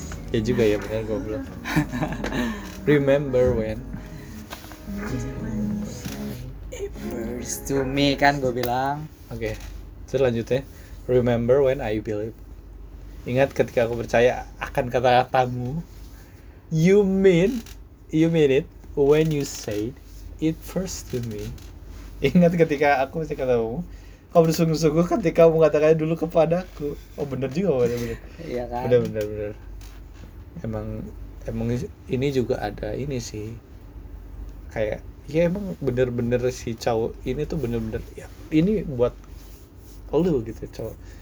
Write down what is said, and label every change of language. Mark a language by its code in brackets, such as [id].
[id] Ya juga ya, bener goblok. [en] Remember when it first to me, [id] kan gue bilang. Oke, selanjutnya. [en] Remember when I believe. [id] Ingat ketika aku percaya akan kata-katamu. [en] You mean it when you said it first to me. [id] Ingat ketika aku masih ketemu, kau bersungguh-sungguh ketika kamu mengatakannya dulu kepadaku. Oh benar juga, benar-benar. Iya kan. Benar-benar. Emang ini juga ada ini sih. Kayak ya emang benar-benar si cowok ini tuh benar-benar ya, ini buat lu gitu, cowok.